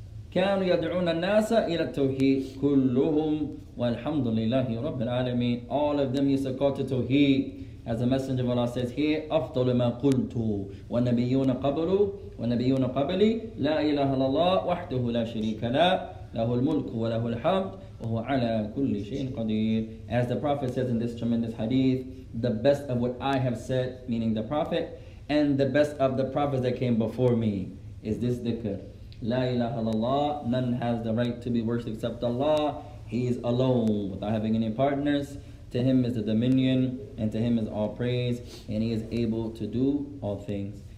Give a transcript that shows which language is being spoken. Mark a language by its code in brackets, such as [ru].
[ar] كانوا يدعون الناس إلى التوحيد كلهم والحمد لله رب العالمين. [en] All of them used to call to توحيد. As the Messenger of Allah says here, [ar] أفضل ما قلت ونبيون قبلوا ونبيون قبلي لا إله إلا الله وحده لا شريك له له الملك وله الحمد وهو على كل شيء قدير. [en] As the Prophet says in this tremendous hadith, the best of what I have said, meaning the Prophet, and the best of the prophets that came before me, is this dhikr. La ilaha illallah, none has the right to be worshipped except Allah. He is alone, without having any partners. To Him is the dominion, and to Him is all praise, and He is able to do all things.